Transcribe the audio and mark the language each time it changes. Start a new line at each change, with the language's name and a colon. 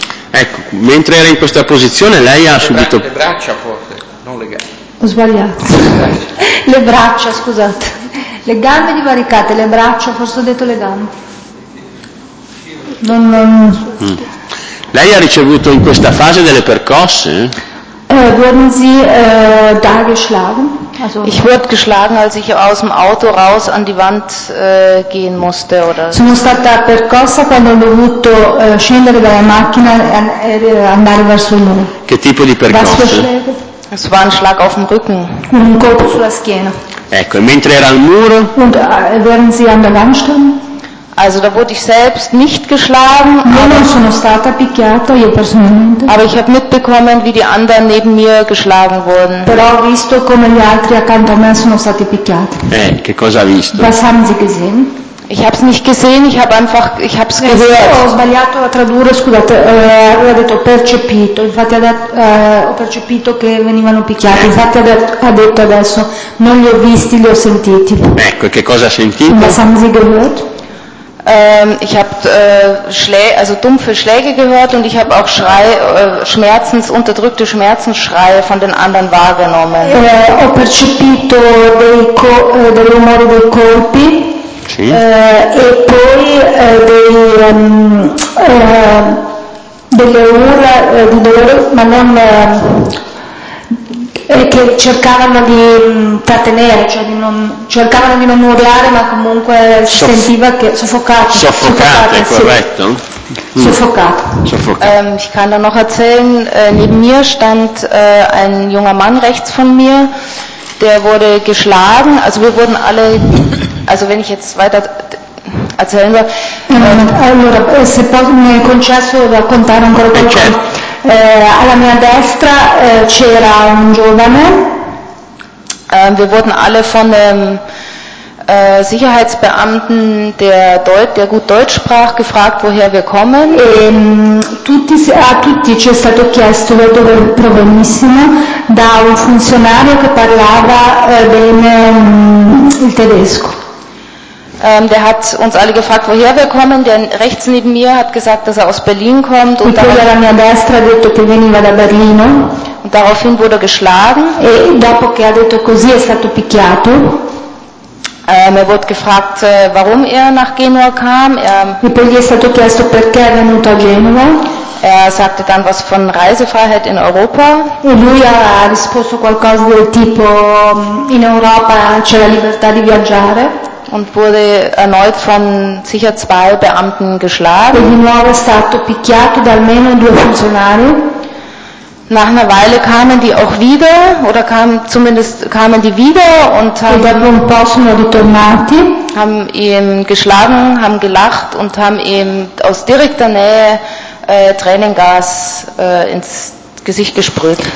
Italian: Ecco, mentre era in questa posizione lei ha subito... Le braccia forse. Non ho sbagliato. Le braccia, scusate. Le gambe divaricate, le braccia, forse ho detto le gambe. Non. Lei ha ricevuto in questa fase delle percosse?
German: Wurden Sie da geschlagen? Also, ich wurde geschlagen, als ich aus dem Auto raus an die Wand gehen musste, oder?
Italian: Sono stata percossa quando ho dovuto scendere dalla macchina e andare verso il muro. Che tipo di percosse?
German: Es war ein Schlag auf dem Rücken.
Italian: Un colpo sulla schiena. Ecco, e mentre era al muro?
German: Und während sie an der Wand stand? Also da wurde ich selbst nicht geschlagen.
Italian: Non sono stata picchiata io personalmente.
German: Aber ich habe mitbekommen, wie die anderen neben mir geschlagen wurden.
Italian: Però ho visto come gli altri accanto a me sono stati picchiati. Che cosa ha visto?
German: Was haben Sie gesehen? Ich habe es nicht gesehen, ich habe es gehört.
Italian: Ho sbagliato a tradurre, scusate, ho detto percepito, infatti ho percepito che venivano picchiati, infatti ha detto adesso, non li ho visti, li ho sentiti. Ecco, che cosa ha sentito?
German: Was haben Sie gehört? Ich habe dumpfe Schläge gehört und ich habe auch unterdrückte Schmerzensschreie von den anderen wahrgenommen.
Italian: Ho percepito del rumore dei colpi. E poi delle urla di dolore, ma non che cercavano di trattenere, cioè di non cercavano di non urlare, ma comunque si sentiva che soffocate, corretto? Sì. Soffocato.
German: Ich kann da noch erzählen, neben mir stand ein junger Mann rechts von mir. Der wurde geschlagen, also wir wurden alle, also wenn ich jetzt weiter erzählen soll.
Italian: Allora, se posso, mi è concesso raccontare ancora qualcosa. Okay. Alla mia destra c'era un giovane.
German: Wir wurden alle von dem Sicherheitsbeamten, der gut Deutsch sprach, gefragt, woher wir kommen.
Italian: A tutti ci è stato chiesto da dove provenissimo, da un funzionario che parlava bene il tedesco.
German: Der hat uns alle gefragt, woher wir kommen. Der rechts neben mir hat gesagt, dass er aus Berlin kommt.
Italian: Und poi alla mia destra ha detto che veniva da Berlino.
German: Und daraufhin wurde geschlagen.
Italian: E dopo che ha detto così è stato picchiato. Mi
German: wurde gefragt, warum er nach Genua kam.
Italian: E poi gli è stato chiesto perché è venuto a Genova.
German: Er sagte dann was von Reisefreiheit in Europa.
Italian: E lui ha risposto qualcosa del tipo, in Europa c'è la libertà di viaggiare.
German: Und wurde erneut von sicher zwei Beamten geschlagen.
Italian: E di nuovo è stato picchiato da almeno due funzionari.
German: Nach einer Weile kamen die auch wieder, oder kamen die wieder und haben ihn geschlagen, haben gelacht und haben ihm aus direkter Nähe Tränengas ins Gesicht gesprüht.